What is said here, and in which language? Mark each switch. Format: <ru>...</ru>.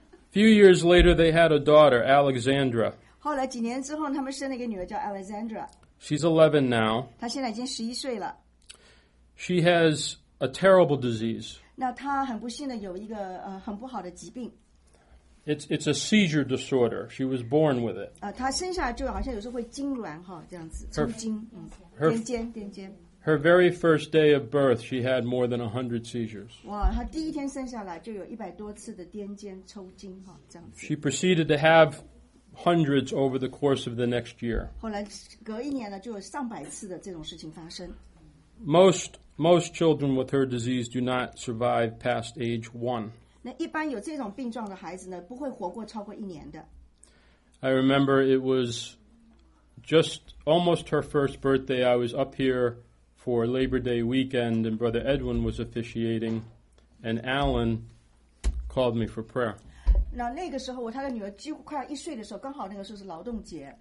<en>Few years later, they had a daughter, Alexandra.</en> <zh>后来几年之后，他们生了一个女儿叫 Alexandra。</zh> <en>She's 11 now.</en> <zh>她现在已经11岁了。</zh> <en>She has a terrible disease.</en> <zh>那她很不幸的有一个很不好的疾病。</zh> <en>It's a seizure disorder. She was born with it.</en> <zh>她生下来就好像有时候会痉挛哈，这样子抽筋，癫痫。</zh> <en>Her very first day of birth, she had more than 100 seizures.</en> <zh>哇，她第一天生下来就有100多次的癫痫抽筋哈，这样子。</zh> <en>She proceeded to have hundreds over the course of the next year.</en> <zh>后来隔一年呢，就有上百次的这种事情发生。</zh> <en>Most children with her disease do not survive past age one.</en> <zh>那一般有这种病状的孩子呢，不会活过超过一年的。</zh> <en>I remember it was just almost her first birthday. I was up here for Labor Day weekend, and Brother Edwin was officiating, and Alan called me for prayer.</en> <zh>那个时候，他的女儿几乎快要一岁的时候，刚好那个时候是劳动节。</zh>